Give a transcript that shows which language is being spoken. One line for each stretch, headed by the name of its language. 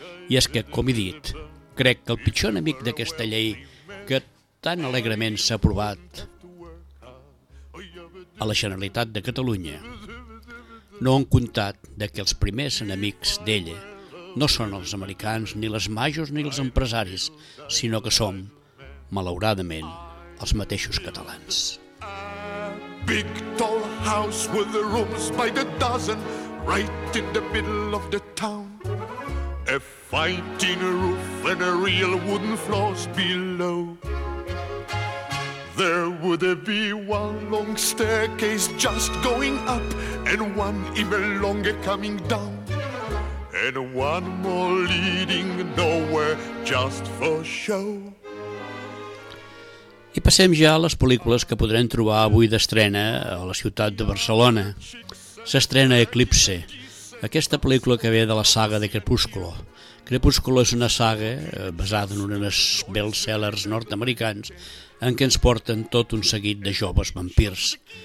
Catalan: I és que, com he dit, crec que el pitjor enemic d'aquesta llei que tan alegrement s'ha aprovat a la Generalitat de Catalunya no han comptat que els primers enemics d'ella no són els americans, ni les majors, ni els empresaris, sinó que som, malauradament, els mateixos catalans.
English: Big tall house with the rooms by the dozen, right in the middle of the town. A fine tin roof and a real wooden floors below. There would be one long staircase just going up, and one even longer coming down. And one more leading nowhere just for show.
Catalan: I passem ja a les pel·lícules que podrem trobar avui d'estrena a la ciutat de Barcelona. S'estrena Eclipse, aquesta pel·lícula que ve de la saga de Crepúsculo. Crepúsculo és una saga basada en uns bestsellers nord-americans en què ens porten tot un seguit de joves vampirs.